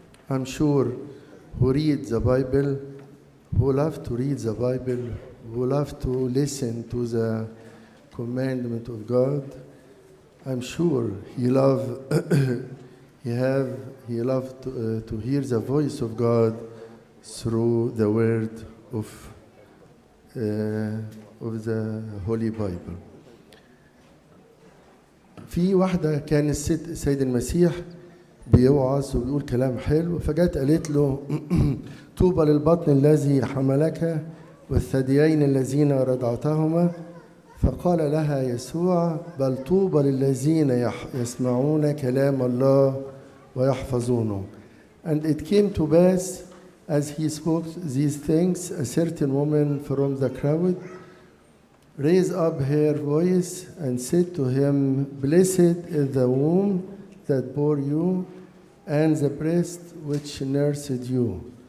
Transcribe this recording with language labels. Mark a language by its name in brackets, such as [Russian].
[English] I'm sure who read the Bible, who love to read the Bible, who love to listen to the commandment of God, I'm sure he love, he love to hear the voice of God through the word of the Holy Bible. [Arabic] في واحدة كان السيد المسيح بيوعظ وبيقول كلام حلو، فجت قالت له طوبى للبطن الذي حملك والثديين الذين رضعتهما. فقال لها يسوع بل طوبى للذين يسمعون كلام الله ويحفظونه. [English] And it came to pass as he spoke these things, a certain woman from the crowd raised up her voice and said to him, blessed is the womb that bore you and the breast which nursed you.